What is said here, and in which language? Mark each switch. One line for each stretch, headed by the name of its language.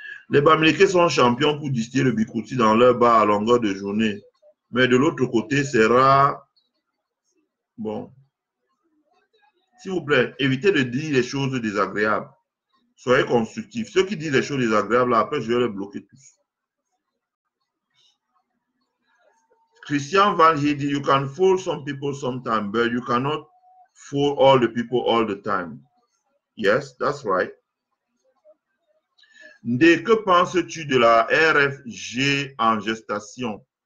French: Les Bamiléké sont champions pour distiller le bicoutis dans leur bar à longueur de journée. Mais de l'autre côté, c'est rare. Bon. S'il vous plaît, évitez de dire les choses désagréables. Soyez constructifs. Ceux qui disent les choses désagréables, après, je vais les bloquer tous.
English: Christian Van Heer
French: dit,
English: You can fool some people sometimes, but you cannot fool all the people all the time. Yes, that's right.
French: Ndé, que penses-tu de la RFG en gestation?